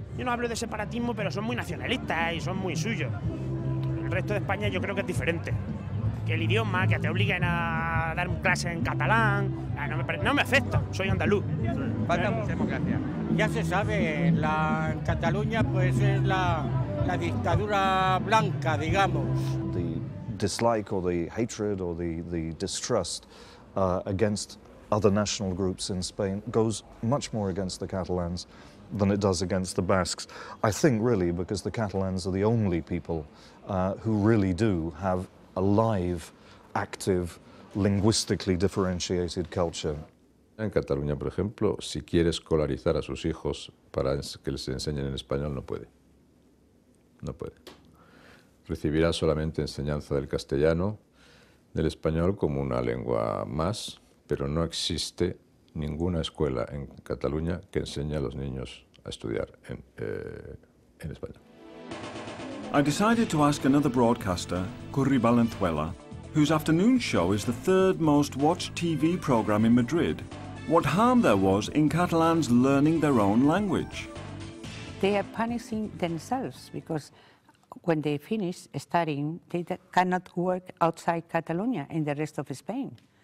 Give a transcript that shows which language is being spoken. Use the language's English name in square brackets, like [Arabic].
[Spanish] Yo no hablo de separatismo, pero son muy nacionalistas y son muy suyos. El resto de España yo creo que es diferente. Que el idioma, que te obliguen a dar clases en catalán, no me afecta, soy andaluz. Falta mucha democracia. Ya se sabe, en Cataluña pues es la dictadura blanca, digamos. [English] The dislike or the hatred or the distrust against other national groups in Spain goes much more against the Catalans than it does against the Basques. I think really because the Catalans are the only people who really do have a live, active, linguistically differentiated culture. [Spanish] En Cataluña, por ejemplo, si quiere escolarizar a sus hijos para que les enseñen en español, no puede. No puede. Recibirá solamente enseñanza del castellano, del español como una lengua más, pero no existe ninguna escuela en Cataluña que enseñe a los niños a estudiar en español. [English] I decided to ask another broadcaster, Curri Balenzuela, whose afternoon show is the third most watched TV program in Madrid, what harm there was in Catalans learning their own language. They are punishing themselves because when they finish studying, they cannot work outside Catalonia in the rest of Spain.